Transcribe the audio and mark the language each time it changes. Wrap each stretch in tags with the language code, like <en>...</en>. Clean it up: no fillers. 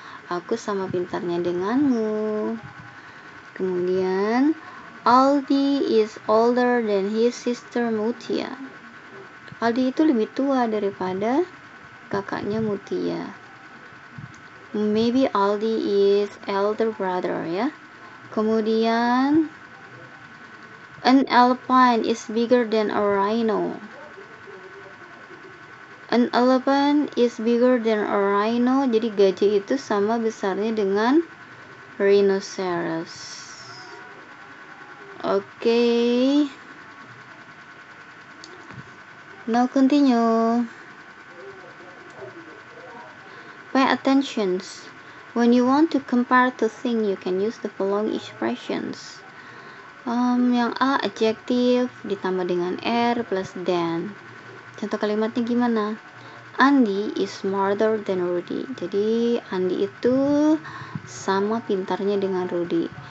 <id>Aku sama pintarnya denganmu.</id> <en>Kemudian Aldi is older than his sister Mutia.</en> <id>Aldi itu lebih tua daripada kakaknya Mutia.</id> <en>Maybe Aldi is elder brother ya. Kemudian an elephant is bigger than a rhino. An elephant is bigger than a rhino.</en> <id>Jadi gajah itu sama besarnya dengan rhinoceros.</id> <en>Okay. Now continue. Pay attention. When you want to compare two things, you can use the following expressions.</en> <id>Yang A, adjective ditambah dengan R plus than. Contoh kalimatnya gimana?</id> <en>Andy is smarter than Rudy.</en> <id>Jadi Andy itu sama pintarnya dengan Rudy.</id>